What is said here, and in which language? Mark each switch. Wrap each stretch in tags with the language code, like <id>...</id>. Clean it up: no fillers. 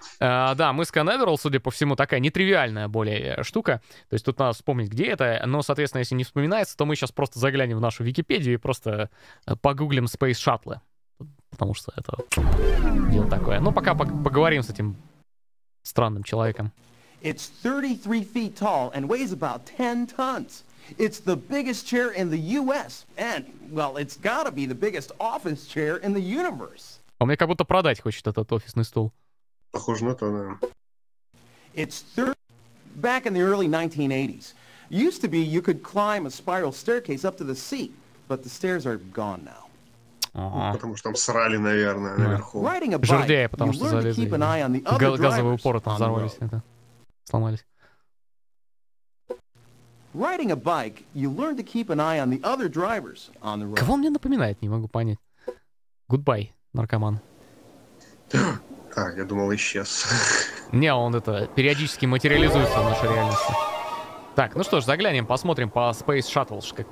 <ru>Да, мыс Канаверал, судя по всему, такая нетривиальная более штука. То есть тут надо вспомнить, где это. Но, соответственно, если не вспоминается, то мы сейчас просто заглянем в нашу Википедию и просто погуглим Space Shuttle. Потому что это дело такое. Ну, пока поговорим с этим странным человеком.</ru> <en>It's 33 feet tall and weighs about 10 tons. It's the biggest chair in the US, and, well, it's gotta be the biggest office chair in the universe.</en> <ru>Он мне как будто продать хочет этот офисный стул. Похоже на то, да.</ru> <en>It's back in the early 1980s. Used to be you could climb a spiral staircase up to the seat, but the stairs are gone now.</en> <ru>Потому что там срали, наверное, наверху.</ru> <en>Riding a bike,</en> <ru>жердяя, потому что залезли. Газовые упоры там взорвались, это. Сломались.</ru> <en>Riding a bike, you learn to keep an eye on the other drivers on the road.</en> <ru>Кого он мне напоминает, не могу понять. Goodbye, наркоман. А, я думал, исчез. Не, он это периодически материализуется в нашей реальности. Так, ну что ж, заглянем, посмотрим по Space Shuttle.</ru>